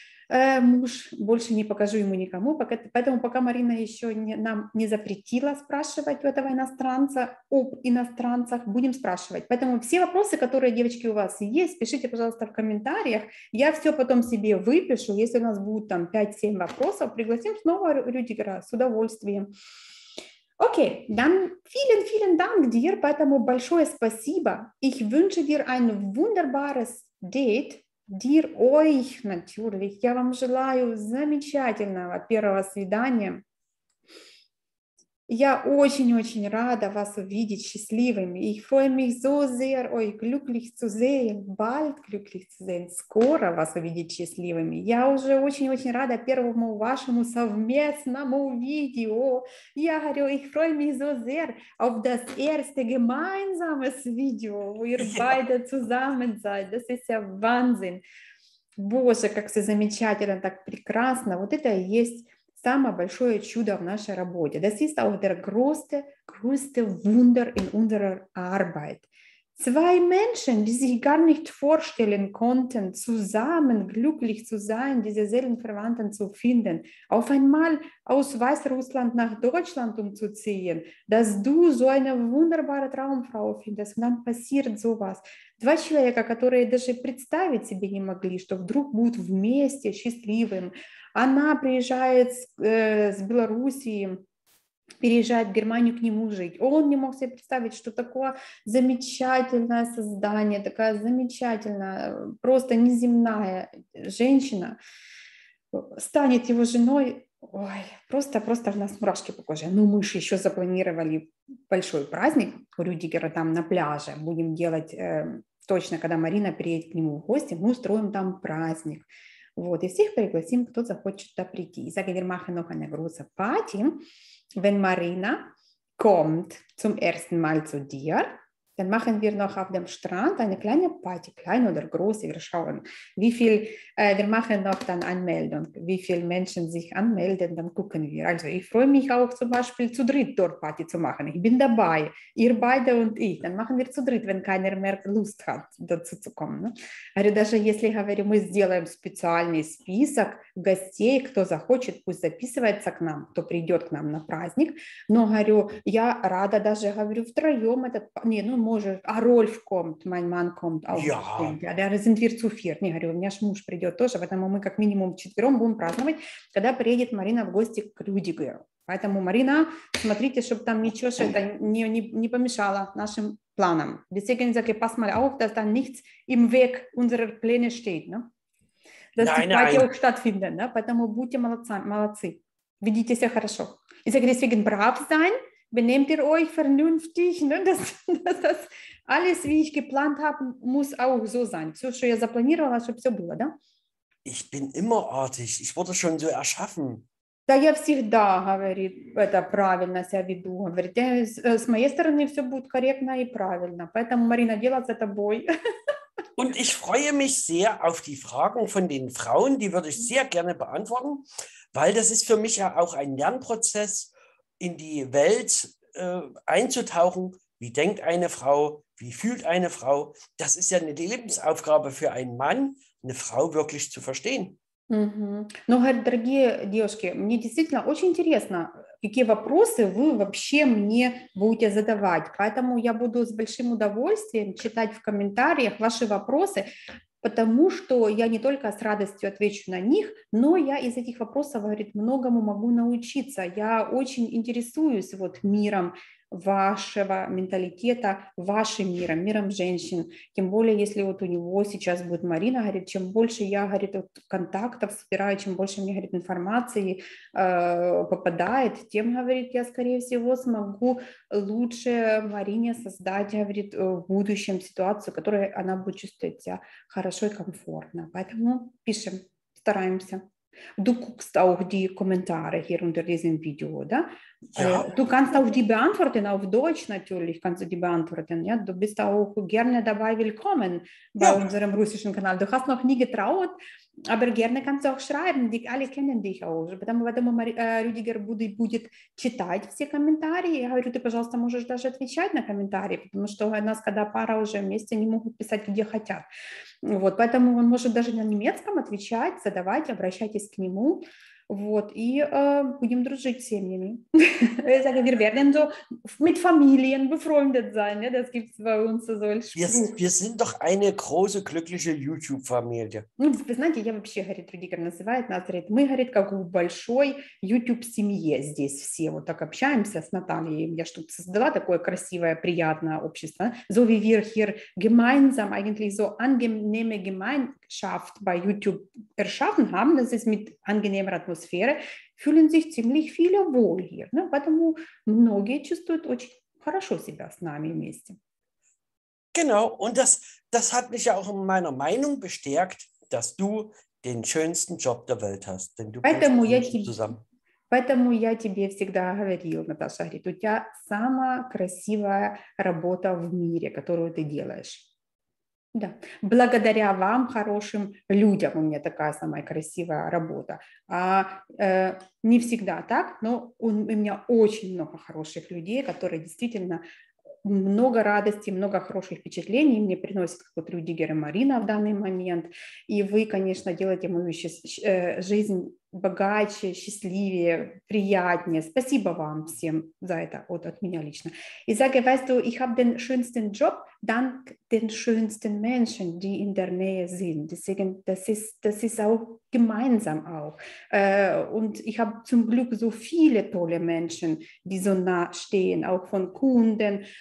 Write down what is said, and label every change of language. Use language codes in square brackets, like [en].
[ru] муж, больше не покажу ему никому, поэтому пока Марина еще нам не запретила спрашивать у этого иностранца об иностранцах, будем спрашивать. Поэтому все вопросы, которые, девочки, у вас есть, пишите, пожалуйста, в комментариях, я все потом себе выпишу, если у нас будет там 5-7 вопросов, пригласим снова Рюдигера с удовольствием. [de] Okay, dann vielen, vielen Dank dir, [ru] поэтому большое спасибо. [de] Ich wünsche dir ein wunderbares Date. Dir, euch natürlich. [ru] Я вам желаю замечательного первого свидания. Я очень-очень рада вас увидеть счастливыми. [de] Ich freue mich so sehr, euch glücklich zu sehen, bald glücklich zu sehen, [ru] скоро вас увидеть счастливыми. Я уже очень-очень рада первому вашему совместному видео. Я говорю, [de] ich freue mich so sehr auf das erste gemeinsames Video, wo ihr beide zusammen seid. Das ist ja Wahnsinn. [ru] Боже, как все замечательно, так прекрасно. Вот это и есть самое большое чудо в нашей работе. [de] Das ist auch der größte Wunder in unserer Arbeit. Zwei Menschen, die sich gar nicht vorstellen konnten, zusammen glücklich zu sein, diese Seelenverwandten zu finden, auf einmal aus Weißrussland nach Deutschland umzuziehen, dass du so eine wunderbare Traumfrau findest. Und dann passiert sowas. [ru] Два человека, которые даже представить себе не могли, что вдруг будут вместе счастливым. Она приезжает с Белоруссии, переезжает в Германию к нему жить. Он не мог себе представить, что такое замечательное создание, такая замечательная, просто неземная женщина станет его женой. Ой, просто у нас мурашки по коже. Ну, мы же еще запланировали большой праздник у Рюдигера там на пляже. Будем делать точно, когда Марина приедет к нему в гости, мы устроим там праздник. Вот, и всех пригласим, кто захочет туда прийти. [de] Ich sage, wir machen noch eine große Party. Wenn Marina kommt zum ersten Mal zu dir, dann machen wir noch auf dem Strand eine kleine Party, kleine oder große. Wir schauen, wie viel, wir machen noch dann Anmeldung, wie viele Menschen sich anmelden, dann gucken wir. Also ich freue mich auch zum Beispiel zu dritt dort Party zu machen. Ich bin dabei, ihr beide und ich. Dann machen wir zu dritt, wenn keiner mehr Lust hat, dazu zu kommen. [ru] Also даже если, говорю, мы сделаем специальный список гостей, кто захочет, пусть записывается к нам, кто придет к нам на праздник. Но, говорю, я рада даже, говорю, втроем этот, не, ну, может, а Рольф [de] kommt, mein Mann kommt auch. Ja. [ru] Да, [de] sind wir zu viert. [ru] Не, говорю, у меня ж муж придет тоже, поэтому мы как минимум вчетвером будем праздновать, когда приедет Марина в гости к Рюдигеру. Поэтому, Марина, смотрите, чтобы там ничего что-то не помешало нашим планам. [de] Deswegen sage ich, pass mal auf, dass da nichts im Weg unserer Pläne steht, ne? Dass nein, die Party nein. auch stattfindet, ne? [ru] Поэтому будьте молодцы. Ведите себя хорошо. [de] Ich sage, deswegen brav sein. Benehmt ihr euch vernünftig, ne? Dass alles, wie ich geplant habe, muss auch so sein. [ru] So, что я запланировала, чтобы все было, да? [de] Ich bin immer artig. Ich wurde schon so erschaffen. [ru] Да, я всегда, говорит, это правильно себя веду. Говорит, с моей стороны все будет корректно и правильно. Поэтому, Марина, дело за тобой. [de] Und ich freue mich sehr auf die Fragen von den Frauen. Die würde ich sehr gerne beantworten, weil das ist für mich ja auch ein Lernprozess, in die Welt einzutauchen, wie denkt eine Frau, wie fühlt eine Frau. Das ist ja eine Lebensaufgabe für einen Mann, eine Frau wirklich zu verstehen. [ru] Ну, говорю, дорогие девушки, мне действительно очень интересно, какие вопросы вы вообще мне будете задавать. Поэтому я буду с большим удовольствием читать в комментариях ваши вопросы, потому что я не только с радостью отвечу на них, но я из этих вопросов, говорит, многому могу научиться. Я очень интересуюсь вот миром вашего менталитета, вашим миром, миром женщин. Тем более, если вот у него сейчас будет Марина, говорит, чем больше я, говорит, вот контактов собираю, чем больше мне, говорит, информации попадает, тем, говорит, я, скорее всего, смогу лучше Марине создать, говорит, в будущем ситуацию, в которой она будет чувствовать себя хорошо и комфортно. Поэтому пишем, стараемся. [de] Du guckst auch die Kommentare hier unter diesem Video, oder? Ja. Du kannst auch die beantworten, auf Deutsch natürlich kannst du die beantworten. Ja? Du bist auch gerne dabei, willkommen bei ja. unserem russischen Kanal. Du hast noch nie getraut, aber gerne kannst du auch schreiben. Die alle kennen dich auch. [ru] Поэтому Рюдигер будет читать все комментарии. Я говорю, ты, пожалуйста, можешь даже отвечать на комментарии, потому что у нас когда пара уже вместе, они могут писать, где хотят. Вот, поэтому он может даже на немецком отвечать, задавать, обращайтесь к нему. Вот, и будем дружить с семьями. [de] Я sage, wir werden so mit Familien befreundet sein. Ja, das gibt es bei uns so als Spruch. Wir sind doch eine große, glückliche YouTube-Familie. [ru] Вы знаете, я вообще, говорит, Рюдигер называет нас, говорит, мы, говорит, как у большой YouTube-семье здесь все. Вот так общаемся с Натальей. Я чтобы создала такое красивое, приятное общество. [de] So wie wir hier gemeinsam eigentlich so angenehme Gemeinschaft bei YouTube erschaffen haben, das ist mit angenehmer Atmosphäre. Atmosphäre, fühlen sich ziemlich viele wohl hier. Ne? [ru] Поэтому многие чувствуют очень хорошо себя с нами вместе. [de] Genau, und das hat mich ja auch in meiner Meinung bestärkt, dass du den schönsten Job der Welt hast, denn du bist Menschen zusammen. [ru] Поэтому я тебе всегда говорил, Наташа, у тебя самая красивая работа в мире, которую ты делаешь. Да. Благодаря вам, хорошим людям, у меня такая самая красивая работа. Не всегда так, но у меня очень много хороших людей, которые действительно много радости, много хороших впечатлений мне приносят, как вот Рюдигер и Марина в данный момент. И вы, конечно, делаете мою жизнь богаче, счастливее, приятнее. Спасибо вам всем за это от меня лично. [de] И sage, weißt du, ich habe den schönsten Job dank den schönsten Menschen, die in der Nähe sind. Deswegen, das ist auch gemeinsam auch. Und ich habe zum Glück so viele tolle Menschen, die so nah stehen, auch von Kunden.